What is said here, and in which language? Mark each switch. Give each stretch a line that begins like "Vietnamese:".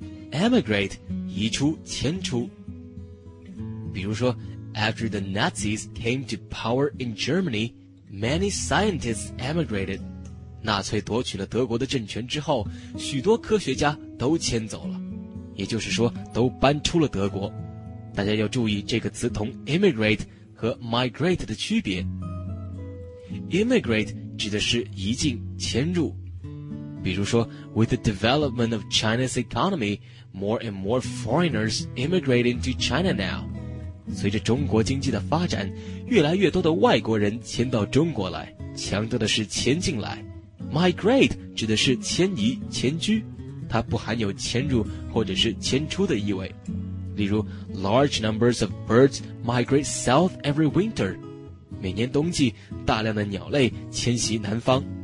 Chinese: Emigrate， 移出，迁出。比如说
English: ，After the Nazis came to power in Germany, many scientists emigrated.
Chinese: 纳粹夺取了德国的政权之后，许多科学家都迁走了，也就是说，都搬出了德国。大家要注意这个词同 immigrate 和 migrate 的区别。 Immigrate 指的是移进、迁入。比如说
English: ，With the development of China's economy, more and more foreigners immigrate into China now.
Chinese: 随着中国经济的发展，越来越多的外国人迁到中国来，强调的是迁进来， migrate 指的是迁移、迁居，它不含有迁入或者是迁出的意味。例如
English: large numbers of birds migrate south every winter，
Chinese: 每年冬季大量的鸟类迁徙南方。